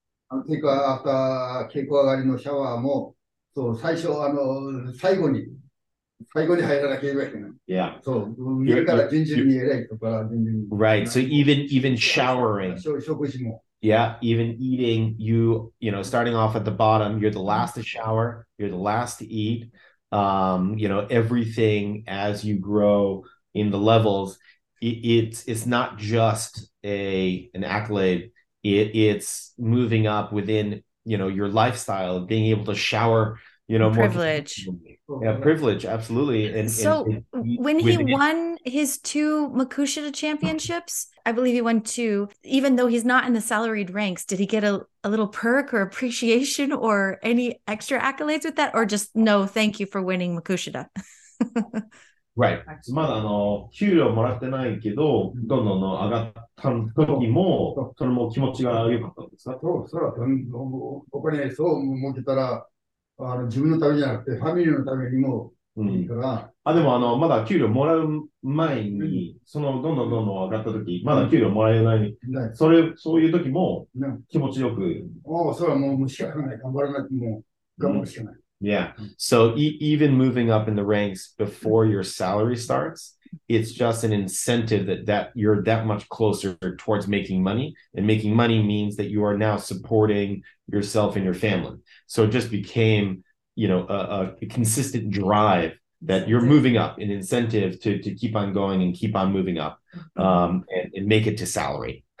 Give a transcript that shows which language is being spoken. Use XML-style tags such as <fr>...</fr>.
<ja>After 稽古上がりのシャワーも、そう、最初、最後に入らなければいけない。</ja> <en>Yeah.</en> <ja>そう、上から順々に偉いとから順々に。</ja> <en>Right. So even showering.</en> <ja>食事も。</ja> <en>Yeah, even eating, you know, starting off at the bottom, you're the last to shower, you're the last to eat. Everything as you grow in the levels, it's not just an accolade. It's moving up within, you know, your lifestyle, being able to shower, you know, privilege. More. Yeah, privilege, absolutely. When he won his two Makushita championships, I believe he won two, even though he's not in the salaried ranks, did he get a little perk or appreciation or any extra accolades with that? Or just, no, thank you for winning Makushita? Right.</en> <ja>まだ給料もらってないけど、どんどん上がった時も、それも気持ちが良かったんですか？そう、それはお金そう儲けたら、自分のためじゃなくて、ファミリーのためにもいいから。うん、あ、でもまだ給料もらう前に、うん、そのどんどんどんどん上がった時、まだ給料もらえない。うん、そういう時も気持ちよく。うん、おお、それはもう仕方ない。頑張らなくても、頑張るしかない。う</ja> <en>ん、Yeah. So even moving up in the ranks before your salary starts, it's just an incentive that you're that much closer towards making money. And making money means that you are now supporting yourself and your family. So it just became, you know, a consistent drive that you're moving up, an incentive to keep on going and keep on moving up and make it to salary.</en>